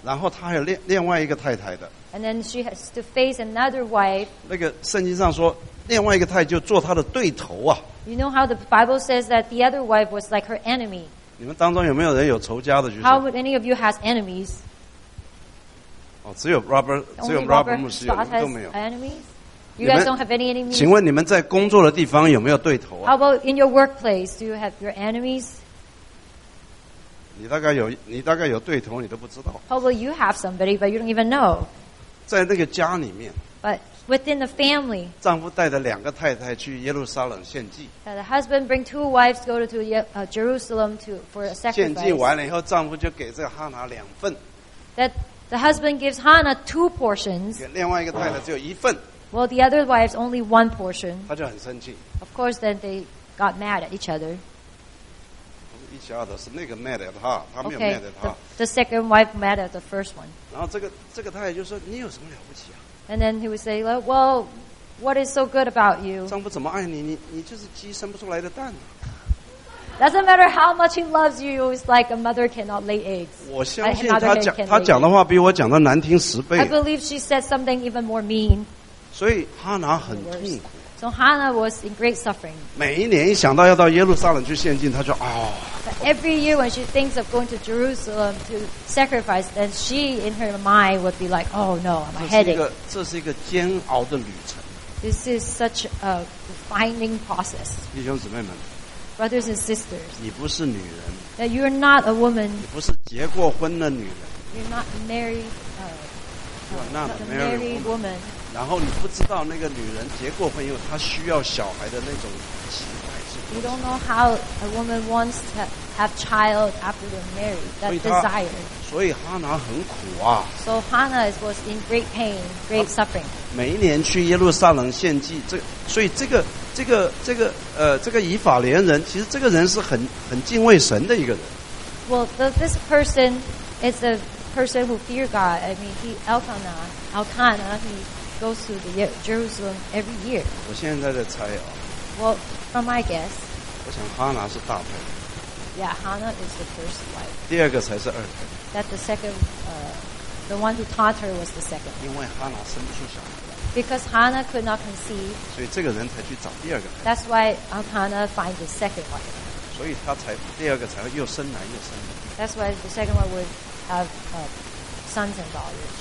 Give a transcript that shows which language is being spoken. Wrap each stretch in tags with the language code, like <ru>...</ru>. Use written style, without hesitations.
<zh>然后她还有另外一个太太的,</zh> <en>and then she has to face another wife.</en> <zh>那个圣经上说,</zh> <en>you know how the Bible says that the other wife was like her enemy.</en> <zh>你们当中有没有人有仇家的？就是</zh> <en>How would any of you has enemies?</en> <zh>哦，只有 Robert， 只有 Robert 牧师有，你们都没有。</zh> <en>Enemies? You guys don't have any enemies?</en> <zh>请问你们在工作的地方有没有对头啊</zh> <en>？How about in your workplace? Do you have your enemies?</en> <zh>你大概有对头，你都不知道。</zh> <en>How about you have somebody, but you don't even know?</en> <zh>在那个家里面。</zh> <en>But within the family.</en> <zh>丈夫带着两个太太去耶路撒冷献祭。</zh> <en>The husband bring two wives go to Jerusalem for a sacrifice.</en> <zh>献祭完了以后，丈夫就给这个哈拿两份。</zh> <en>That the husband gives Hannah two portions.</en> <zh>给另外一个太太只有一份。</zh> <en>Well, the other wives only one portion.</en> <zh>他就很生气。</zh> <en>Of course, then they got mad at each other.</en> <zh>不是一家的，是那个</zh> <en>mad at</en> <zh>他，他没有 mad at 他。</zh> <en>Okay, the second wife mad at the first one.</en> <zh>然后这个太太就说：“你有什么了不起啊？”</zh> <en>And then he would say, "Well, what is so good about you?"</en> <zh>丈夫怎么爱你？你就是鸡生不出来的蛋。</zh> <en>Doesn't matter how much he loves you, it's like a mother cannot lay eggs.</en> <zh>我相信他讲的话比我讲的难听十倍。</zh> <en>I believe she said something even more mean.</en> <zh>所以哈拿很痛苦。</zh> <en>So Hannah was in great suffering.</en> <zh>每一年一想到要到耶路撒冷去献祭，他就啊。</zh> <en>But every year when she thinks of going to Jerusalem to sacrifice, then she in her mind would be like, "Oh no, I'm headache."</en> <zh>这是一个煎熬的旅程。</zh> <en>This is such a defining process.</en> <zh>弟兄姊妹们。</zh> <en>Brothers and sisters,</en> <zh>你不是女人。</zh> <en>That you are not a woman.</en> <zh>你不是结过婚的女人。</zh> <en>You're not married. You're not a married woman.</en> <zh>然后你不知道那个女人结过婚以后，她需要小孩的那种期待。</zh> <en>You don't know how a woman wants to have child after they're married. That desire.</en> <zh>所以哈拿很苦啊。</zh> <en>So Hannah was in great pain, great suffering.</en> <zh>每一年去耶路撒冷献祭，所以这个以法莲人，其实这个人是很敬畏神的一个人。</zh> <en>Well, this person is a person who fears God. I mean, he Elkanah, he goes to Jerusalem every year.</en> <zh>我现在在猜啊。</zh> <en>Well. From my guess,</en> <zh>我想哈拿是大太太。</zh> <en>Yeah, Hannah is the first wife.</en> <zh>第二个才是二太太。</zh> <en>That the second, the one who taught her was the second.</en> <zh>因为哈拿生不出小孩。</zh> <en>Because Hannah could not conceive.</en> <zh>所以这个人才去找第二个。</zh> <en>That's why Elkanah finds the second wife.</en> <zh>所以他才第二个才会又生男又生女。</zh> <en>That's why the second one would have sons and daughters.</en>